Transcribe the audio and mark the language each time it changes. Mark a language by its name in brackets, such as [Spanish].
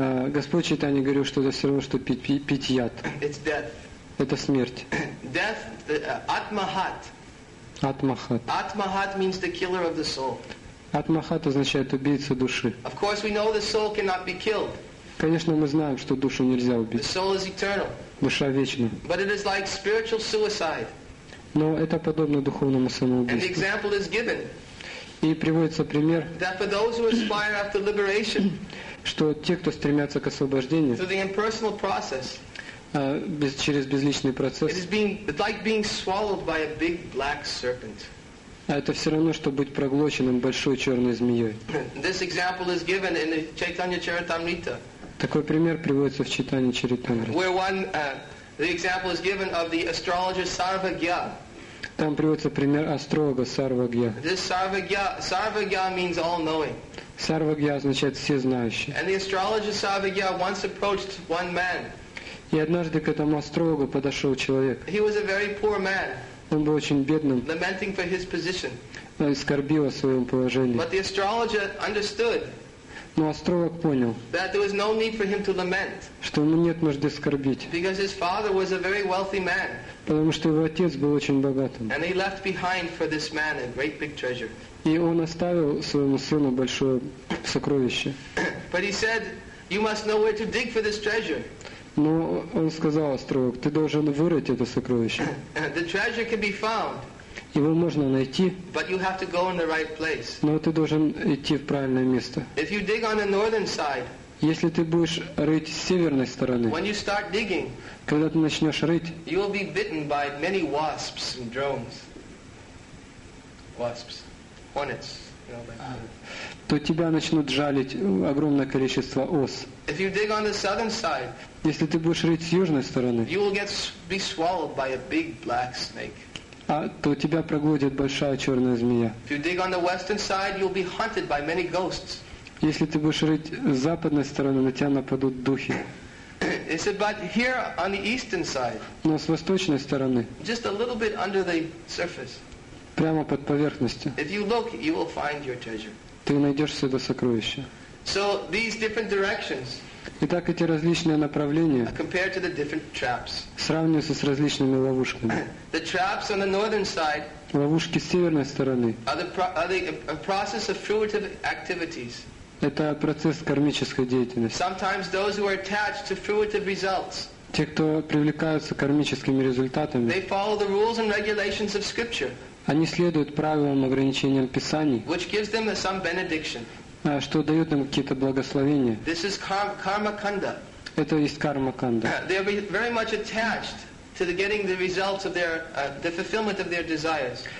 [Russian] Господь Чайтанья говорил, что это все равно, что пить яд. Это смерть. [English] Death, атмахат. [Russian] Атмахат. [English] Атмахат means the killer of the soul. [Russian] Атмахат означает убийца души. [English] Of course, we know the soul cannot be killed. [Russian] Конечно, мы знаем, что душу нельзя убить. [English] The soul is eternal. [Russian] Душа вечна. [English] But it is like spiritual suicide. [Russian] Но это подобно духовному самоубийству. [English] And the example is given. [Russian] И приводится пример, [English] that for those who aspire after liberation, [Russian] что те, кто стремятся к освобождению, [English] through the impersonal process, [Russian] через безличный процесс, [English] it is being, it's like being swallowed by a big black serpent. [Russian] Это все равно, что быть проглоченным большой черной змеей. [English] This example is given in the Chaitanya Charitamrita. [Russian] Такой пример приводится в Чайтанья Чаритамрите. [English] Where one, the example is given of the astrologer Sarvagya. [Russian] Там приводится пример астролога Сарвагья. [English] This Sarvagya means all-knowing. [Russian] Сарвагья означает всезнающий. [English] And the astrologer Sarvagya once approached one man. [Russian] И однажды к этому астрологу подошел человек. [English] He was a very poor man. [Russian] Он был очень бедным. [English] Lamenting for his position. [Russian] Он скорбил о своем положении. [English] But the astrologer understood. [Russian] Но астролог понял, [English] that there was no need for him to lament, [Russian] что ему нет нужды скорбить, [English] because his father was a very wealthy man, [Russian] потому что его отец был очень богатым. [English] And he left behind for this man a great big treasure. [Russian] И он оставил своему сыну большое сокровище. [English] But he said, you must know where to dig for this treasure. [Russian] Но он сказал астролог, ты должен вырыть это сокровище. [English] The treasure can be found. [Russian] Его можно найти, [English] but you have to go in the right place. [Russian] Но ты должен идти в правильное место. [English] If you dig on the northern side, [Russian] если ты будешь рыть с северной стороны, [English] when you start digging, [Russian] когда ты начнешь рыть, [English] you will be bitten by many wasps and drones. Wasps. Hornets. [Russian] То тебя начнут жалить огромное количество ос. [English] If you dig on the southern side, [Russian] если ты будешь рыть с южной стороны, [English] you will get, be swallowed by a big black snake. [Russian] А то тебя проглотит большая черная змея. [English] If you dig on the western side, you'll be hunted by many ghosts. [Russian] Если ты будешь рыть с западной стороны, на тебя нападут духи. [English] He said, but here on the eastern side. [Russian] Но с восточной стороны. [English] Just a little bit under the surface. [Russian] Прямо под поверхностью. [English] If you look, you will find your treasure. [Russian] Ты найдешь свое сокровище. [English] So these different directions. [Russian] Итак, эти различные направления [English] compared to the different traps. [Russian] Сравниваются с различными ловушками. [English] The traps on the northern side, [Russian] ловушки с северной стороны, [English] are a process of fruitive activities. [Russian] Это процесс кармической деятельности. [English] Sometimes those who are attached to fruitive results, [Russian] те, кто привлекаются кармическими результатами, [English] they follow the rules and regulations of scripture, [Russian] они следуют правилам и ограничениям Писаний, [English] which gives them some benediction. [Russian] Что дает им какие-то благословения. [English] This is karma-kanda. [Russian] Это есть карма-канда. [English] They are very much attached to the getting the results of their, the fulfillment of their desires.